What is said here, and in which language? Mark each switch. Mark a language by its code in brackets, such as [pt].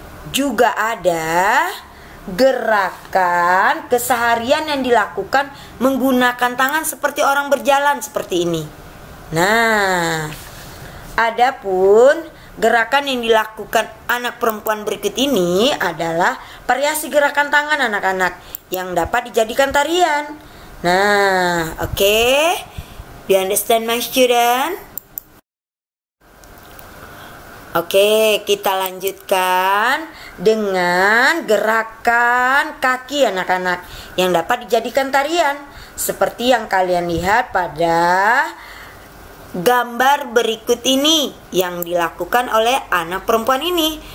[id] Juga ada gerakan keseharian yang dilakukan menggunakan tangan seperti orang berjalan seperti ini. Nah, adapun gerakan yang dilakukan anak perempuan berikut ini adalah variasi gerakan tangan anak-anak yang dapat dijadikan tarian. Nah, oke. [en] You understand my student? [id] Oke, kita lanjutkan dengan gerakan kaki anak-anak yang dapat dijadikan tarian seperti yang kalian lihat pada gambar berikut ini yang dilakukan oleh anak perempuan ini.